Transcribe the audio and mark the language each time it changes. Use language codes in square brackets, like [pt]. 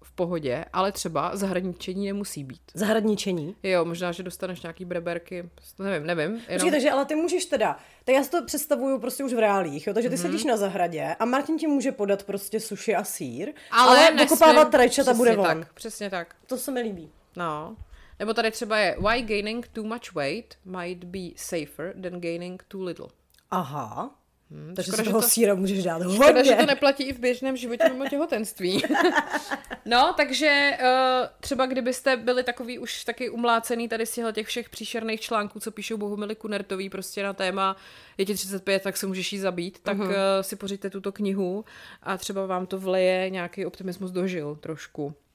[cs] pohodě, ale třeba zahradničení nemusí být. Zahradničení? Jo, možná, že dostaneš nějaký breberky, nevím, nevím. Jenom... Počkej, takže ale ty můžeš teda, tak já si to představuju prostě už v reálích, jo, takže ty sedíš na zahradě a Martin ti může podat prostě suši a sýr, ale dokopávat rajčata bude on. Tak, přesně tak. To se mi líbí. No, nebo tady třeba je, [en] why gaining too much weight might be safer than gaining too little. [cs] Aha. Takže škoda, z toho síra můžeš dát hodně. Škoda, že to neplatí i v běžném životě mimo těhotenství. No, takže třeba kdybyste byli takový už taky umlácený tady z těch všech příšerných článků, co píšou Bohumily Kunertový prostě na téma je ti 35, tak se můžeš jí zabít, tak si pořiďte tuto knihu a třeba vám to vleje nějaký optimismus do žil trošku.